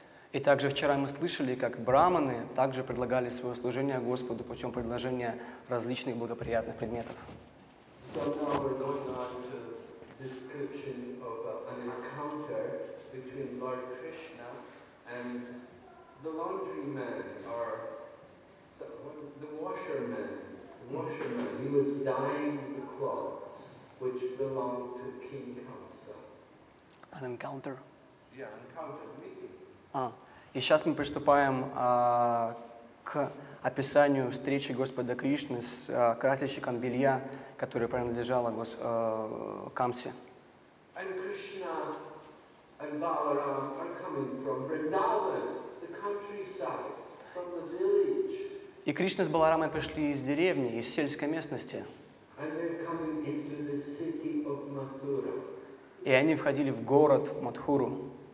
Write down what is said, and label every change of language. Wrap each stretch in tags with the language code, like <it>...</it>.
<ru>И также вчера мы слышали, как браманы также предлагали свое служение Господу путем предложения различных благоприятных предметов.</ru> <en>So now we're going on to description of an encounter between Lord Krishna and the laundryman, or the washerman, he was dyeing the clothes which belonged to King Kamsa. An encounter? Yeah, encounter, meeting.</en> <ru>И сейчас мы приступаем к описанию встречи Господа Кришны с красильщиком белья, которое принадлежало Камсе.</ru> <en>And Krishna and Balaram are coming from Vrindavan, the countryside, from the village.</en> <ru>И Кришна с Баларамой пришли из деревни, из сельской местности.</ru> <en>And they're coming into the city of Mathura.</en> <ru>И они входили в город, в Матхуру.</ru>